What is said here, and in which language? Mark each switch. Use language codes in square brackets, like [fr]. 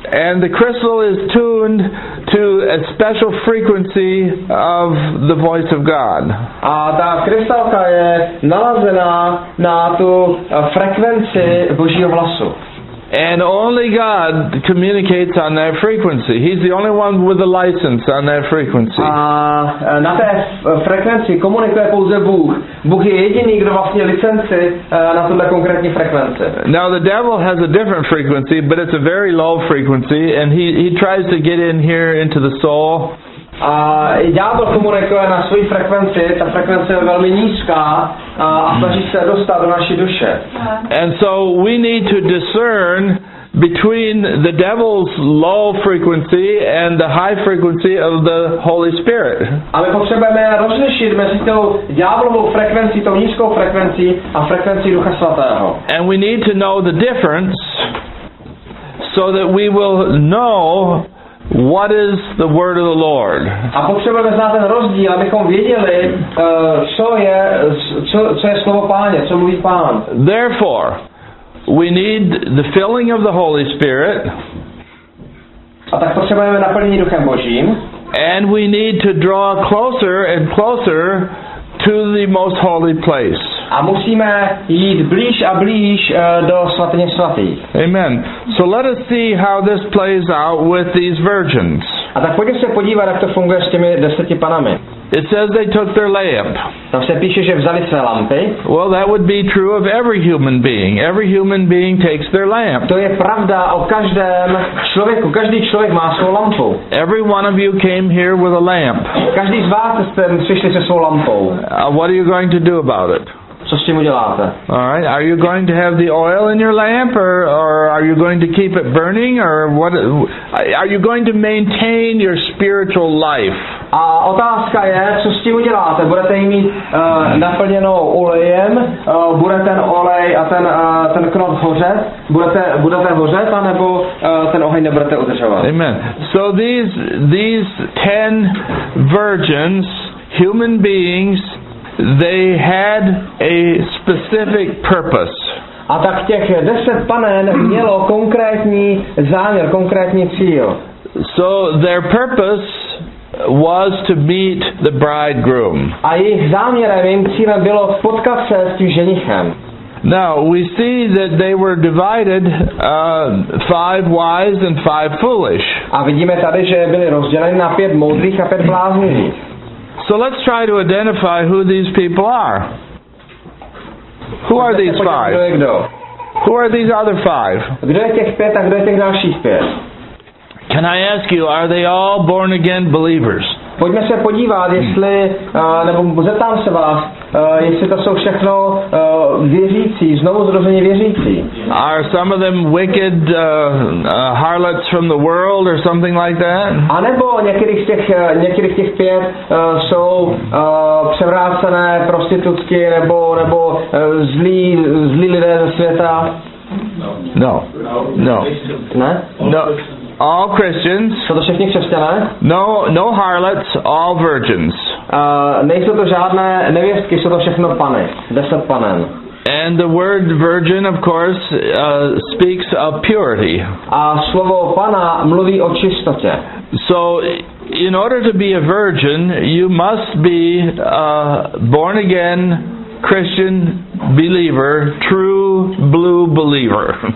[en] And the crystal is tuned to a special frequency of the voice of God. [cs] A ta krystalka je nalazená na tu frekvenci Božího hlasu. [en] And only God communicates on that frequency. He's the only one with a license on that frequency. [cs] A na té frekvenci komunikuje pouze Bůh. Bůh je jediný, kdo vlastně licenci na tuhle konkrétní frekvenci. [en] Now the devil has a different frequency, but it's a very low frequency, and he tries to get in here into the soul. [cs] A ďábel komunikuje na své frekvenci, ta frekvence je velmi nízká a snaží se dostat do naší duše. [en] And so we need to discern between the devil's low frequency and the high frequency of the Holy Spirit. [cs] A my potřebujeme rozlišit mezi tou ďáblovou frekvencí, tou nízkou frekvencí a frekvencí Ducha Svatého. [en] And we need to know the difference so that we will know what is the word of the Lord? [cs] A potřebujeme znát ten rozdíl, abychom věděli, co je slovo Páně, co mluví Pán. [en] Therefore, we need the filling of the Holy Spirit. [cs] A tak potřebujeme naplnění Duchem Božím. [en] And we need to draw closer and closer to the most holy place. [cs] A musíme jít blíž a blíž do svatyně svatých. [en] Amen. So let us see how this plays out with these virgins. [cs] A tak pojďme se podívat, jak to funguje s těmi deseti panami. [en] It says they took their lamp. [cs] Tam se píše, že vzali své lampy. [en] Well, that would be true of every human being. Every human being takes their lamp. [cs] To je pravda o každém člověku. Každý člověk má svou lampu. [en] Every one of you came here with a lamp. [cs] Každý z vás jste přišli se svou lampou. [en] What are you going to do about it? [cs] Co s tím uděláte? [en] All right. Are you going to have the oil in your lamp, or are you going to keep it burning, or what? Are you going to maintain your spiritual life? [cs] A otázka je, co s tím uděláte? Budete jí mít naplněnou olejem? Bude ten olej a ten knot hořet? Budete hořet, anebo ten oheň nebudete udržovat? [en] Amen. So these ten virgins, human beings, they had a specific purpose. [cs] A tak těch deset panen mělo konkrétní záměr, konkrétní cíl. [en] So their purpose was to meet the bridegroom. [cs] A jejich záměrem, jejím cílem bylo potkat se s tím ženichem. [en] Now we see that they were divided five wise and five foolish. [cs] A vidíme tady, že byli rozděleni na pět moudrých a pět bláznivých. [en] So let's try to identify who these people are. Who are these five? Who are these other five? [cs] Kdo je těch pět a kdo je těch dalších pět? [en] Can I ask you, are they all born again believers? [cs] Pojďme se podívat, jestli nebo zeptám se vás, jestli to jsou všechno věřící, znovu zrození věřící. [en] Are some of them wicked harlots from the world or something like that? [cs] A nebo některých těch pět jsou převrácené prostitutky nebo zlí lidé ze světa? [en] No. All Christians. [cs] Jsou to všichni křesťané? [en] No harlots, all virgins. [cs] Nejsou to žádné nevěstky, jsou to všechno pany, deset panen. [en] And the word virgin, of course, speaks of purity. [cs] A slovo pana mluví o čistotě. [en] So, in order to be a virgin, you must be born again Christian believer, true blue believer.